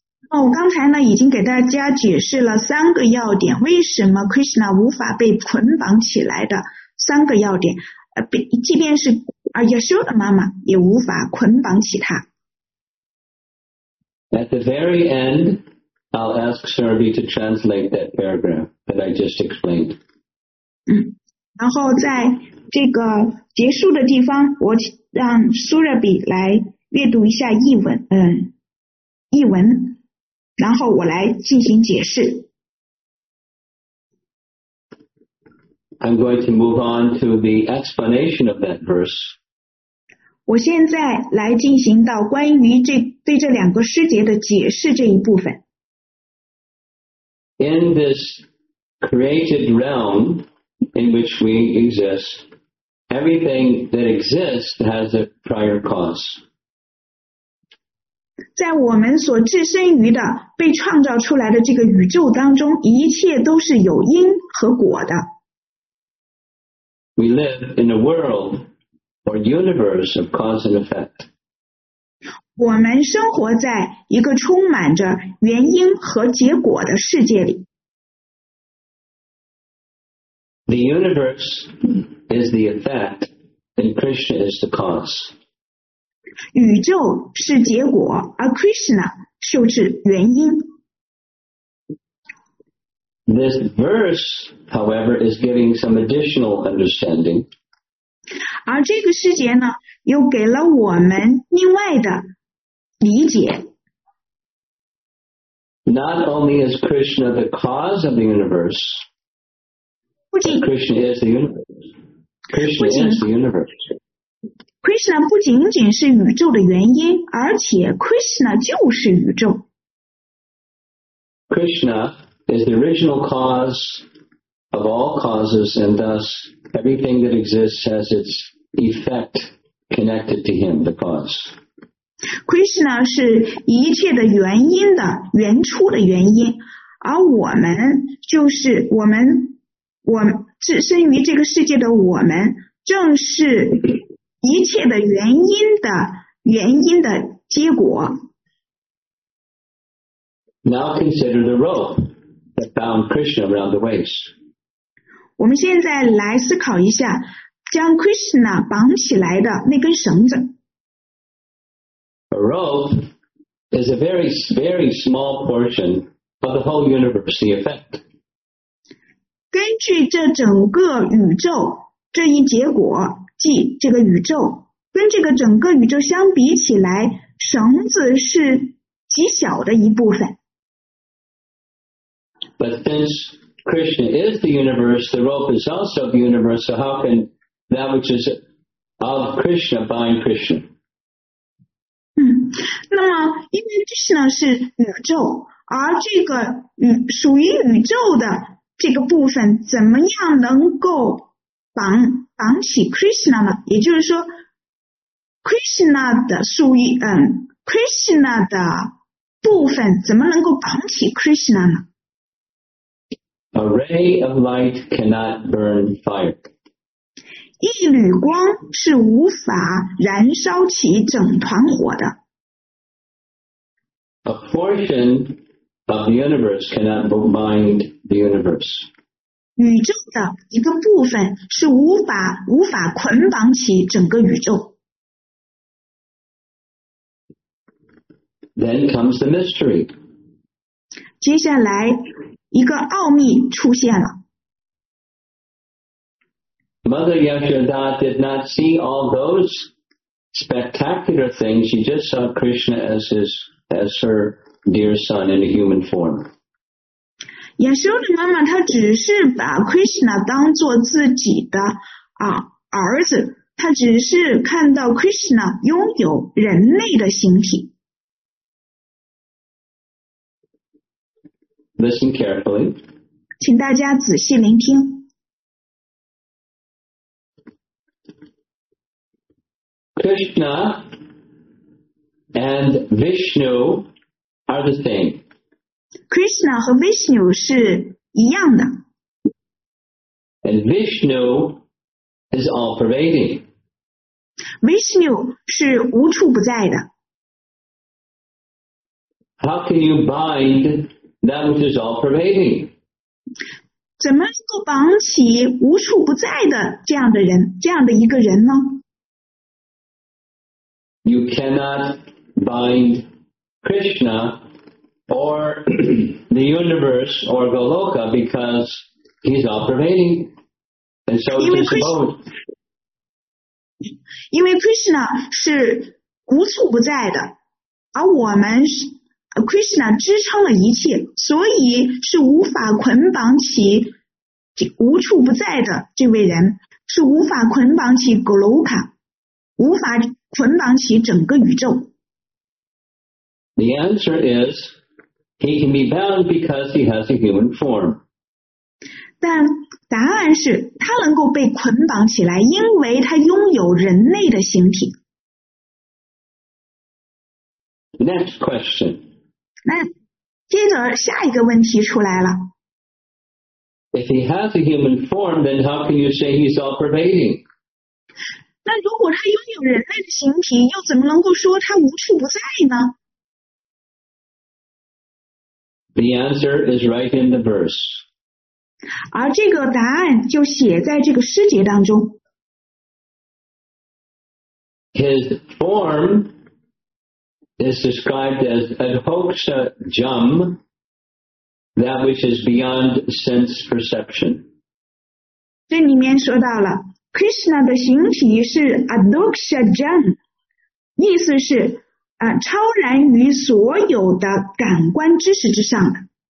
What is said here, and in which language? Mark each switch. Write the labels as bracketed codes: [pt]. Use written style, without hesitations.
[zh] 我刚才呢已经给大家解释了三个要点，为什么 Krishna 无法被捆绑起来的三个要点，即便是 Yashoda 妈妈也无法捆绑起他。 [en] At the very end, I'll ask Sarabhi to translate that paragraph that I just explained. [zh] 然后在这个结束的地方，我让 Sarabhi 来阅读一下译文，译文，然后我来进行解释。 [en] I'm going to move on to the explanation of that verse. [zh] 我现在来进行到关于这对这两个诗节的解释这一部分。 [en] In this created realm in which we exist, everything that exists has a prior cause. [zh] 在我们所置身于的被创造出来的这个宇宙当中，一切都是有因和果的。 [en] We live in a world or universe of cause and effect. [zh] 我们生活在一个充满着原因和结果的世界里。 [en] The universe is the effect and Krishna is the cause. [zh] 宇宙是结果，而 Krishna 就是原因。 [en] This verse, however, is giving some additional understanding. [zh] 而这个诗节呢，又给了我们另外的理解。 [en] Not only is Krishna the cause of the universe, but Krishna is the universe. Krishna is the universe. [zh] Krishna 不仅仅是宇宙的原因，而且 Krishna 就是宇宙。 [en] Krishna is the original cause of all causes, and thus everything that exists has its effect connected to him, the cause. [zh] Krishna 是一切的原因的原初的原因，而我们就是我置身于这个世界的我们，正是。一切的原因的原因的结果。 [en] Now consider the rope that bound Krishna around the waist. [zh] 我们现在来思考一下将 Krishna 绑起来的那根绳子。 [en] A rope is a very, very small portion of the whole universe, the effect. [zh] 根据这整个宇宙这一结果。即这个宇宙跟这个整个宇宙相比起来，绳子是极小的一部分。 [en] But since Krishna is the universe, the rope is also the universe. So how can that which is of Krishna bind Krishna? [zh] 那么因为 Krishna 是宇宙，而这个属于宇宙的这个部分，怎么样能够绑？绑起 Krishna 呢，也就是说 Krishna 的属于Krishna 的部分怎么能够绑起 Krishna 呢？ [en] A ray of light cannot burn fire. [zh] 一缕光是无法燃烧起整团火的。 [en] A portion of the universe cannot bind the universe. [zh] 宇宙的一个部分是无法捆绑起整个宇宙。 [en] Then comes the mystery. [zh] 接下来一个奥秘出现了。 [en] Mother Yashoda did not see all those spectacular things. She just saw Krishna as her dear son in a human form. [zh] 也是我的妈妈，她只是把 Krishna 当作自己的儿子，她只是看到 Krishna 拥有人类的形体。 [en] Listen carefully. [zh] 请大家仔细聆听。 [en] Krishna and Vishnu are the same. [zh] Krishna 和 Vishnu 是一样的。 [en] And Vishnu is all pervading. [zh] Vishnu 是无处不在的。 [en] How can you bind that which is all pervading? [zh] 怎么能够绑起无处不在的这样的人，这样的一个人呢？ [en] You cannot bind Krishna or the universe or Goloka because he's all pervading, and so is his abode. [zh] 因为 Krishna 是无处不在的，而我们是。 Krishna 支撑了一切，所以是无法捆绑起无处不在的这位人，是无法捆绑起 Goloka， 无法捆绑起整个宇宙。 [en] The answer is he can be bound because he has a human form. [zh] 但答案是他能够被捆绑起来，因为他拥有人类的形体。 [en] Next question. [zh] 那接着下一个问题出来了。 [en] If he has a human form, then how can you say he's all pervading? [zh] 那如果他拥有人类的形体，又怎么能够说他无处不在呢？ [en] The answer is right in the verse. [zh] 而这个答案就写在这个诗节当中。 [en] His form. Is described as adhoksha jam, that which is beyond sense perception. [zh] 这里面说到了 Krishna 的形体是 adhoksha jam, 意思是、超然于所有的感官知识之上的。